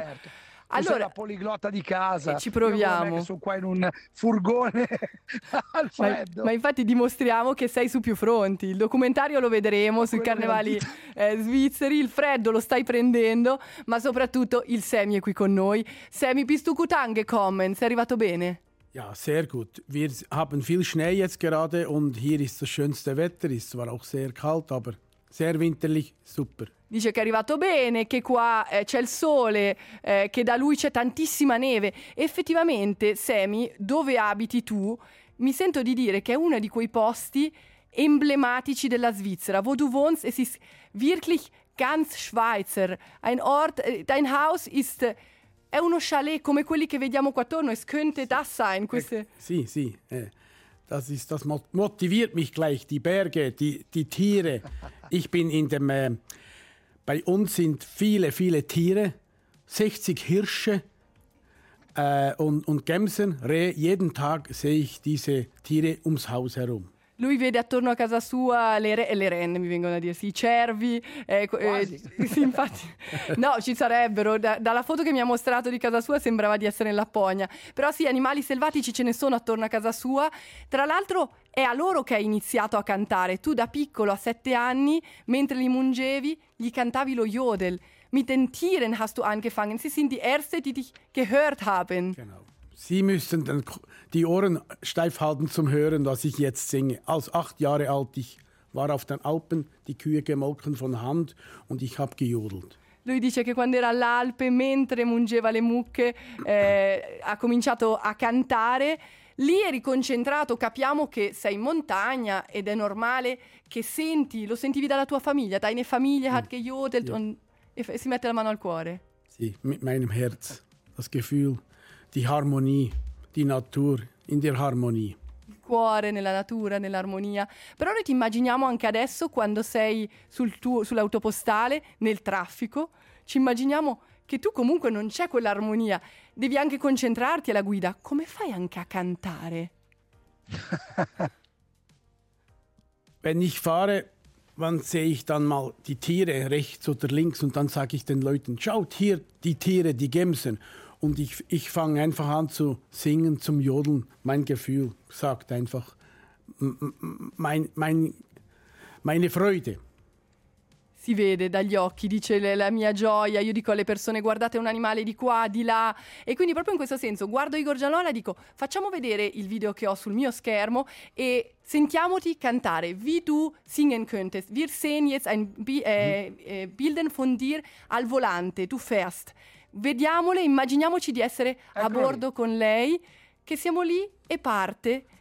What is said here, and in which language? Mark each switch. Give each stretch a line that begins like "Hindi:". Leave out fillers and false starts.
Italian: Certo. Allora, la poliglotta di casa. Ci proviamo. Sono qua in un furgone al freddo. Ma infatti dimostriamo che sei su più fronti. Il documentario lo vedremo sui carnevali svizzeri. Il freddo lo stai prendendo, ma soprattutto il Sammy è qui con noi.
German: Sammy, bist du gut angekommen?
Italian: Sei arrivato bene?
German: Ja, sehr gut. Wir haben viel Schnee jetzt gerade und hier ist das schönste Wetter. Ist zwar auch sehr kalt, aber sehr winterlich, super.
Italian: Dice che è arrivato bene, che qua c'è il sole, che da lui c'è tantissima neve. Effettivamente, Sammy, dove abiti tu, mi sento di dire che è uno di quei posti emblematici della Svizzera.
German: Wo du wohnst, es ist wirklich ganz Schweizer. Ein Ort, dein Haus ist,
Italian: è uno chalet come quelli che vediamo qua attorno.
German: Es könnte das sein.
Italian: Queste... Sì, sì.
German: Das ist, das motiviert mich gleich, die Berge, die Tiere. Ich bin in dem... Bei uns sind viele, viele Tiere, 60 Hirsche und Gämsen, Rehe. Jeden Tag sehe ich diese Tiere ums Haus herum.
Italian: Lui vede attorno a casa sua le renne, mi vengono a dire, sì, i cervi. Sì, infatti, no, ci sarebbero. Dalla foto che mi ha mostrato di casa sua sembrava di essere in Lapponia. Però sì, animali selvatici ce ne sono attorno a casa sua. Tra l'altro è a loro che hai iniziato a cantare. Tu da piccolo, a 7 anni, mentre li mungevi, gli cantavi lo yodel.
German: Mit den Tieren hast du angefangen. Sie sind die erste, die dich gehört haben. Genau. Sie müssen die Ohren steif halten zum Hören, was ich jetzt singe. Als 8 Jahre alt, ich war auf den Alpen, die Kühe gemolken von Hand und ich habe gejodelt.
Italian: Lui dice che quando era all'Alpe, mentre mungeva le mucche, ha cominciato a cantare. Lì eri concentrato, capiamo che sei in montagna ed è normale che senti, lo sentivi dalla tua famiglia,
German: deine Familie hat gejodelt, ja.
Italian: E si mette la mano al cuore.
German: Sì, mit meinem Herz, das Gefühl. Die Harmonie, die Natur, in der Harmonie.
Italian: Il cuore nella natura, nell'armonia. Però noi ti immaginiamo anche adesso quando sei sull'autopostale, nel traffico, ci immaginiamo che tu comunque non c'è quell'armonia. Devi anche concentrarti alla guida. Come fai anche a cantare?
German: Wenn ich fahre, wann sehe ich dann mal die Tiere rechts oder links und dann sage ich den Leuten, schaut hier die Tiere, die Gämsen. Und ich fange einfach an zu singen, zum Jodeln. Mein Gefühl sagt einfach meine Freude.
Italian: Si vede dagli occhi, dice la mia gioia. Io dico alle persone, guardate un animale di qua, di là. E quindi proprio in questo senso, guardo Igor Giannola e dico, facciamo vedere il video che ho sul mio schermo e sentiamoti cantare.
German: Wie du singen könntest. Wir sehen jetzt ein Bilden von dir
Italian: al volante.
German: Tu fährst.
Italian: Vediamole, immaginiamoci di essere a bordo con lei, che siamo lì e parte.